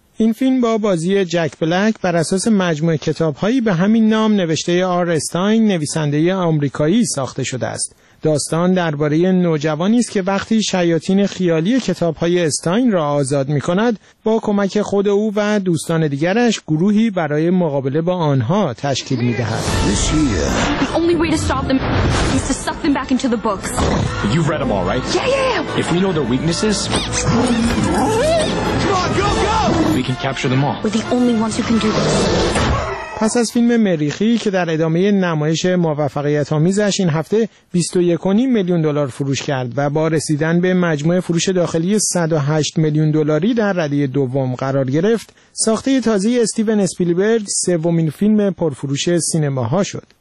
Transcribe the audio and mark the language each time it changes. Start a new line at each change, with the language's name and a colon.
Persian: این فیلم با بازی جک بلک بر اساس مجموعه کتاب‌هایی به همین نام نوشته آر استاین نویسنده آمریکایی ساخته شده است. داستان درباره نوجوانی است که وقتی شیاطین خیالی کتاب‌های استاین را آزاد می‌کند، با کمک خود او و دوستان دیگرش گروهی برای مقابله با آنها تشکیل می‌دهد.
English: The only way to stop them is to suck them back into the books. You've read them all, right? Yeah, yeah, yeah. If we know their weaknesses, come on, go, go. We can capture them all. We're the only ones who can do this.
Persian: پس از فیلم مریخی که در ادامه نمایش موفقیت آمیزش این هفته 21.5 میلیون دلار فروش کرد و با رسیدن به مجموع فروش داخلی 108 میلیون دلاری در رده دوم قرار گرفت، ساخته تازه استیون اسپیلبرگ سومین فیلم پرفروش سینماها شد.